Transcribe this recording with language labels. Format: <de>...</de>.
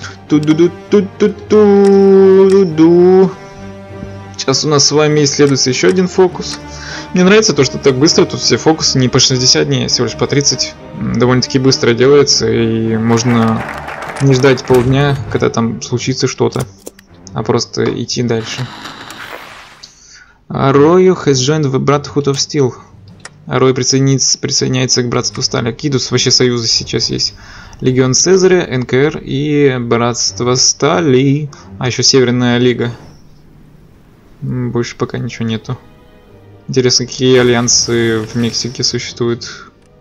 <ru>Сейчас у нас с вами исследуется еще один фокус. Мне нравится то, что так быстро тут все фокусы, не по 60 дней, а всего лишь по 30. Довольно-таки быстро делается, и можно не ждать полдня, когда там случится что-то, а просто идти дальше.</ru> <en>Арою has joined the Brotherhood of Steel.</en> <ru>Арой присоединяется к Братству Стали. Кидус, вообще союзы сейчас есть. Легион Цезаря, НКР и Братство Стали. А еще Северная Лига. Больше пока ничего нету. Интересно, какие альянсы в Мексике существуют.</ru>